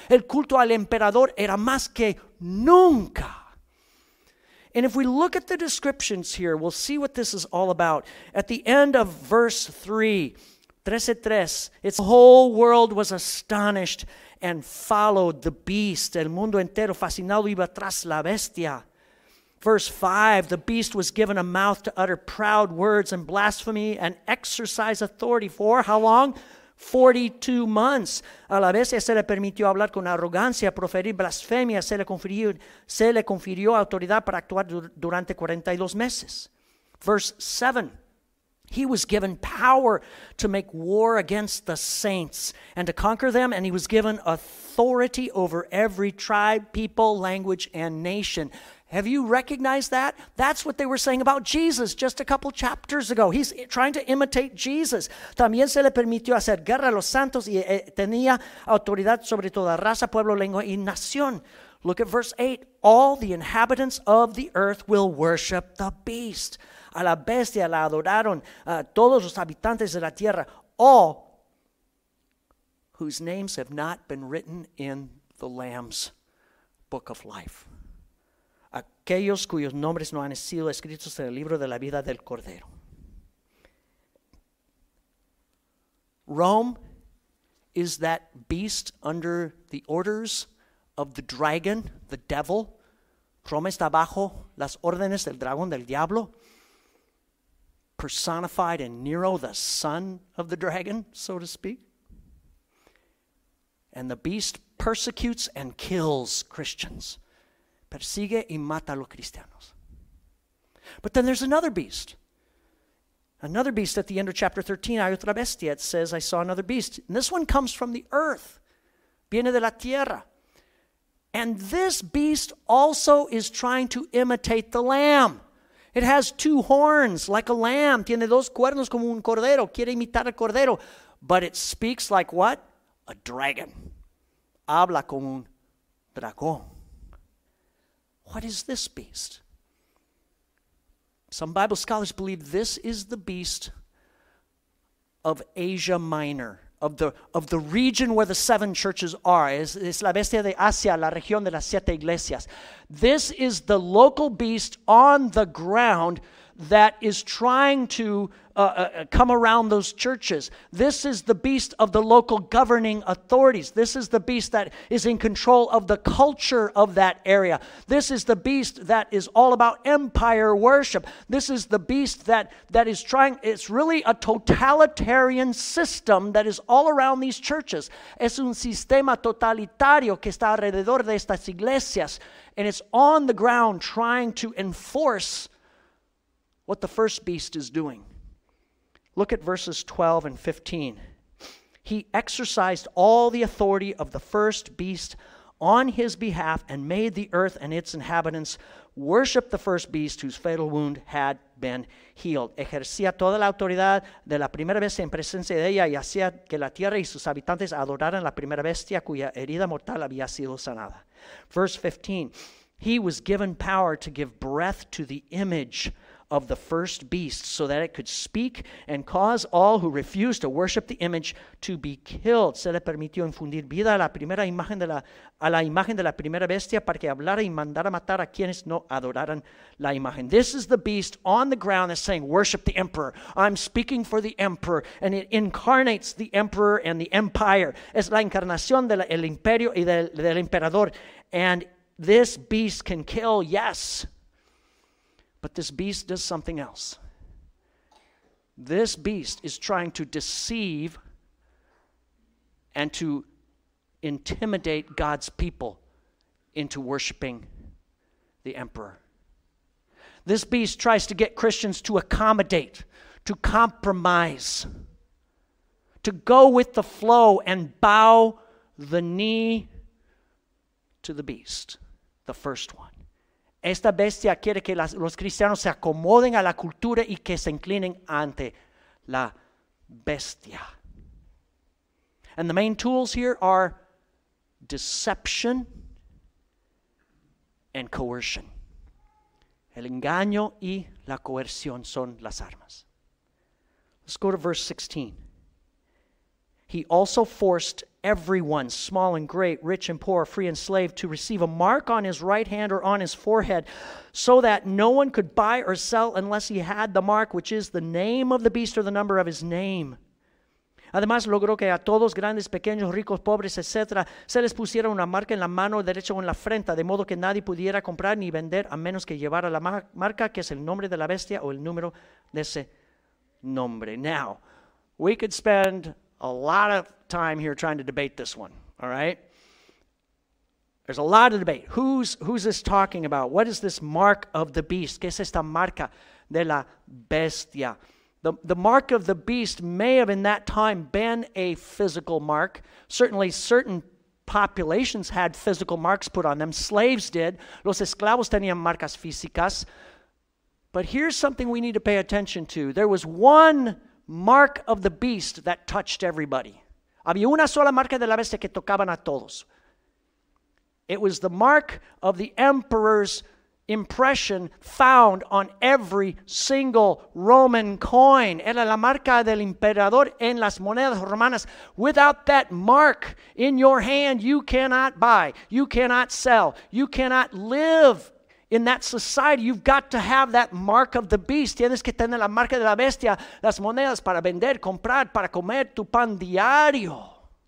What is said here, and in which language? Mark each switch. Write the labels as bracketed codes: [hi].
[es] El culto al emperador era más que nunca. [en] And if we look at the descriptions here, we'll see what this is all about. At the end of verse 3, 13:3, its whole world was astonished and followed the beast. [es] El mundo entero fascinado iba tras la bestia. [en] Verse 5, the beast was given a mouth to utter proud words and blasphemy and exercise authority for how long? 42 months. [es] A la bestia se le permitió hablar con arrogancia, proferir blasfemia, se le confirió autoridad para actuar durante 42 meses. [en] Verse 7. He was given power to make war against the saints and to conquer them, and he was given authority over every tribe, people, language, and nation. Have you recognized that? That's what they were saying about Jesus just a couple chapters ago. He's trying to imitate Jesus. [es] También se le permitió hacer guerra a los santos y tenía autoridad sobre toda raza, pueblo, lengua y nación. [en] Look at verse 8. All the inhabitants of the earth will worship the beast. [es] A la bestia la adoraron todos los habitantes de la tierra. [en] All whose names have not been written in the Lamb's book of life. [es] Aquellos cuyos nombres no han sido escritos en el libro de la vida del Cordero. [en] Rome is that beast under the orders of the dragon, the devil. [es] Roma está bajo las órdenes del dragón, del diablo. [en] Personified in Nero, the son of the dragon, so to speak. And the beast persecutes and kills Christians. [es] Persigue y mata a los cristianos. [en] But then there's another beast. Another beast at the end of chapter 13. [es] Hay otra bestia. [en] It says, I saw another beast. And this one comes from the earth. [es] Viene de la tierra. [en] And this beast also is trying to imitate the lamb. It has two horns like a lamb. [es] Tiene dos cuernos como un cordero. Quiere imitar al cordero. [en] But it speaks like what? A dragon. [es] Habla como un dragón. [en] What is this beast? Some Bible scholars believe this is the beast of Asia Minor, of the region where the seven churches are. [es] Es la bestia de Asia, la región de las siete iglesias. [en] This is the local beast on the ground that is trying to come around those churches. This is the beast of the local governing authorities. This is the beast that is in control of the culture of that area. This is the beast that is all about empire worship. This is the beast that is trying, it's really a totalitarian system that is all around these churches. [es] Es un sistema totalitario que está alrededor de estas iglesias. [en] And it's on the ground trying to enforce what the first beast is doing. Look at verses 12 and 15. He exercised all the authority of the first beast on his behalf and made the earth and its inhabitants worship the first beast whose fatal wound had been healed. [es] Ejercía toda la autoridad de la primera bestia en presencia de ella y hacía que la tierra y sus habitantes adoraran la primera bestia cuya herida mortal había sido sanada. [en] Verse 15. He was given power to give breath to the image of the first beast so that it could speak and cause all who refused to worship the image to be killed. [es] Se le permitió infundir vida a la primera imagen de la imagen de la primera bestia para que hablara y mandara matar a quienes no adoraran la imagen. [en] This is the beast on the ground that's saying, worship the emperor. I'm speaking for the emperor. And it incarnates the emperor and the empire. [es] Es la encarnación del imperio y del emperador. [en] And this beast can kill, yes. But this beast does something else. This beast is trying to deceive and to intimidate God's people into worshiping the emperor. This beast tries to get Christians to accommodate, to compromise, to go with the flow and bow the knee to the beast, the first one. [es] Esta bestia quiere que los cristianos se acomoden a la cultura y que se inclinen ante la bestia. [en] And the main tools here are deception and coercion. [es] El engaño y la coerción son las armas. [en] Let's go to verse 16. He also forced everyone, small and great, rich and poor, free and slave, to receive a mark on his right hand or on his forehead, so that no one could buy or sell unless he had the mark, which is the name of the beast or the number of his name. [es] Además, logró que a todos, grandes, pequeños, ricos, pobres, etc., se les pusiera una marca en la mano derecha o en la frente, de modo que nadie pudiera comprar ni vender a menos que llevara la marca, que es el nombre de la bestia o el número de ese nombre. [en] Now, we could spend a lot of time here trying to debate this one, all right? There's a lot of debate. Who's this talking about? What is this mark of the beast? [es] ¿Qué es esta marca de la bestia? [en] The mark of the beast may have in that time been a physical mark. Certainly certain populations had physical marks put on them. Slaves did. [es] Los esclavos tenían marcas físicas. [en] But here's something we need to pay attention to. There was one mark of the beast that touched everybody. [es] Había una sola marca de la bestia que tocaban a todos. [en] It was the mark of the emperor's impression found on every single Roman coin. [es] Era la marca del emperador en las monedas romanas. [en] Without that mark in your hand, you cannot buy, you cannot sell, you cannot live. In that society, you've got to have that mark of the beast. [es] Tienes que tener la marca de la bestia, las monedas para vender, comprar, para comer tu pan diario.